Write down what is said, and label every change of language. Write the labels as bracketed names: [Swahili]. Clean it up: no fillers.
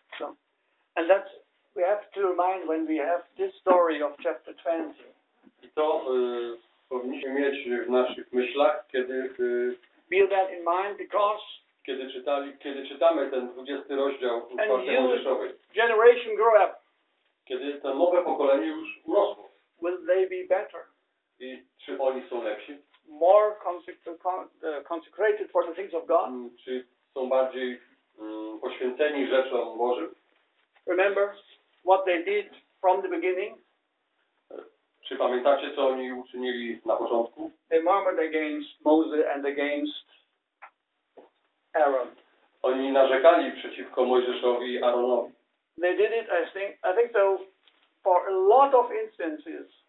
[English] So, and that's, we have to remind when we have this story of chapter 20. [Polish] I to powinniśmy mieć w naszych myślach, kiedy... [English] Feel that in mind, because... [Polish] Kiedy czytamy ten 20 rozdział Czwartej Mojżeszowej. [English] Generation grow up. [Polish] Kiedy to nowe pokolenie już urosło. [English] Will they be better? [Polish] I czy oni są lepsi? [English] More consecrated for the things of God? [Polish] Czy są bardziej poświęceni rzeczom Bożym? [English] Remember what they did from the beginning? [Polish] Czy pamiętacie, co oni uczynili na początku? [English] They murmured against Moses and against Aaron. [Polish] Oni narzekali przeciwko Mojżeszowi i Aaronowi. [English] They did it, I think so, for a lot of instances.